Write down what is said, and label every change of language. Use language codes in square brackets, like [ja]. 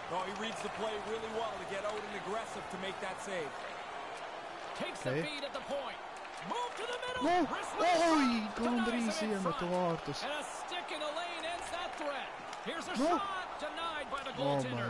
[en] No, he reads the play really well to get out and aggressive to make that save. Takes the feed at the point. Move to the middle. [lv] Oi, gandrīz iemetu vārtus. [en] And a stick in the lane ends that threat. Here's a shot. denied by the goaltender.